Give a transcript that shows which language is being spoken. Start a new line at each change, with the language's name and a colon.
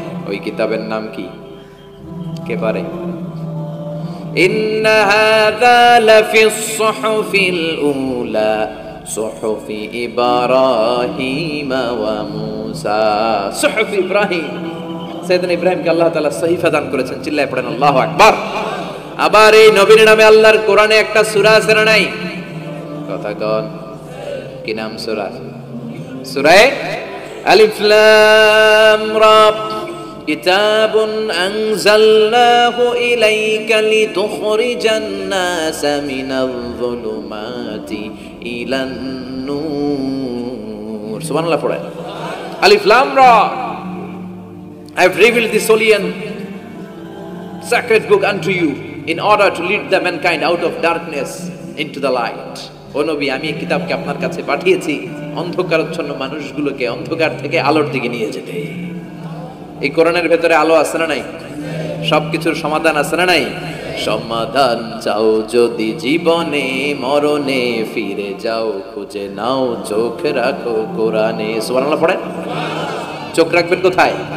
Bangla: ওই কিতাবের নাম কি, কে পারে?
Arabic: ইন্না হাযা লাফি সুহুফিল উলা, সুহুফি ইব্রাহিম ওয়া মূসা,
Bangla: সুহুফি ইব্রাহিম, সাইয়েদানা ইব্রাহিমকে আল্লাহ তাআলা সহিফা দান করেছেন, চিল্লায় পড়েন আল্লাহু আকবার। আবার এই নবীর নামে আল্লাহর কোরআনে একটা সূরা আছে না নাই? কথা কন, কি নাম সূরা? সূরা আলিফ লাম রা,
Arabic: كتاب أنزلناه إليك لتخرج الناس من الظلمات إلى النور. سبحان الله فرأي ألف لام را.
English: I've revealed this holy and sacred book unto you in order to lead the mankind out of darkness into the light.
Bangla: ও নবী, আমি কিতাবকে আপনার কাছে পাঠিয়েছি অন্ধকারচ্ছন্ন মানুষগুলোকে অন্ধকার থেকে আলোর দিকে নিয়ে যেতে। এই কোরআনের ভেতরে আলো আছে না নাই? সব কিছুর সমাধান আছে না নাই? সমাধান চাও যদি জীবনে মরণে, ফিরে যাও খুঁজে নাও, চোখ রাখো কোরআনে। সুবহানাল্লাহ, পড়েন। চোখ রাখবেন কোথায়?